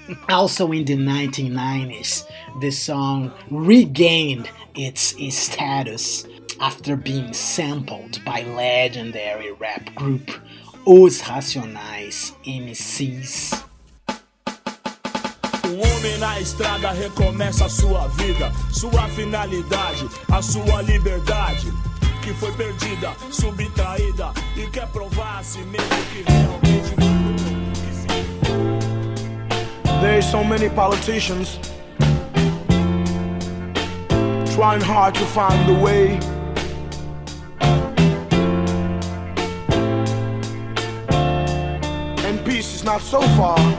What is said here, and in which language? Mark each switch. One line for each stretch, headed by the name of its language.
English: Also in the 1990s, the song regained its status after being sampled by legendary rap group Os Racionais MCs.
Portuguese: O homem na estrada recomeça a sua vida, sua finalidade, a sua liberdade, que foi perdida, subtraída, e quer provar a si mesmo que realmente...
English: There's so many politicians trying hard to find the way. And peace is not so far.